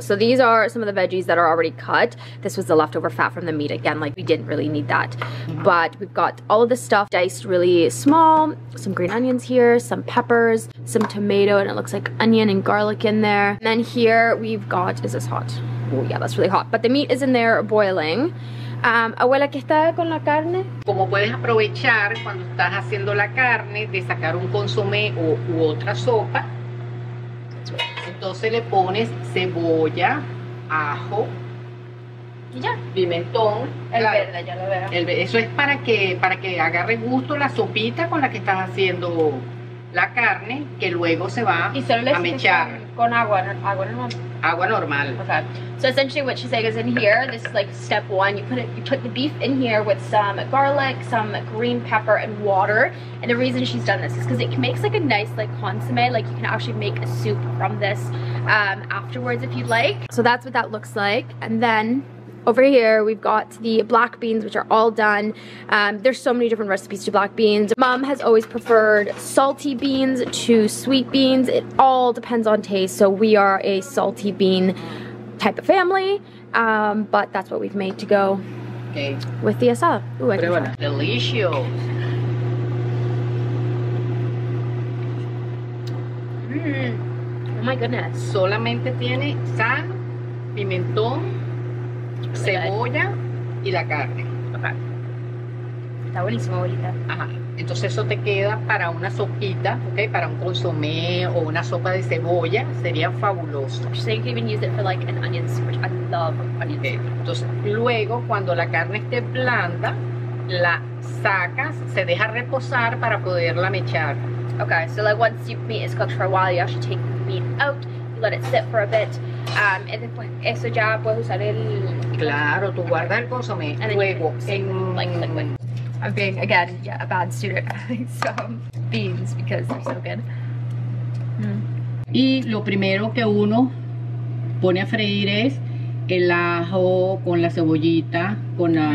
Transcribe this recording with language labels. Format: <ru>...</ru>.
<en>So these are some of the veggies that are already cut. This was the leftover fat from the meat. Again, like we didn't really need that. But we've got all of this stuff diced really small. Some green onions here, some peppers, some tomato, and it looks like onion and garlic in there. And then here we've got, is this hot? Oh yeah, that's really hot. But the meat is in there boiling.</en> <es>Abuela, ¿qué está con la carne? Como puedes aprovechar cuando estás haciendo la carne de sacar un consomé u otra sopa. Entonces le pones cebolla, ajo, ya. Pimentón, el verde, ya lo veo. Eso es para que agarre gusto la sopita con la que estás haciendo la carne que luego se va a mechar. Con agua, agua normal.</es> <en>Okay. So essentially what she's saying is in here, this is like step one, you put the beef in here with some garlic, some green pepper and water. And the reason she's done this is because it makes like a nice like consomme, like you can actually make a soup from this afterwards if you'd like. So that's what that looks like. And then over here, we've got the black beans, which are all done. There's so many different recipes to black beans. Mom has always preferred salty beans to sweet beans. It all depends on taste, so we are a salty bean type of family, but that's what we've made to go okay. with the asada. Ooh, I can try. Delicious. Oh my goodness.</en> <es>Solamente tiene sal, pimentón, cebolla y la carne. Okay. Está buenísimo, abuelita. Ajá. Entonces eso te queda para una sopita, okay, para un consomé o una sopa de cebolla, sería fabuloso.</es> <en>She's saying you can even use it for like an onion soup, which I love onion soup. Okay.</en> <es>Entonces luego cuando la carne esté blanda, la sacas, se deja reposar para poderla mechar.</es> <en>Okay, so like once your meat is cooked for a while, you actually take the meat out, you let it sit for a bit,</en> <es>y después eso ya puedes usar el... Claro, tú guardas el consomé, luego en...</es> <en>Like liquid. I'm being, again, yeah, a bad student having some beans because they're so good.</en> <es>Y lo primero que uno pone a freír es el ajo con la cebollita, con la...</es>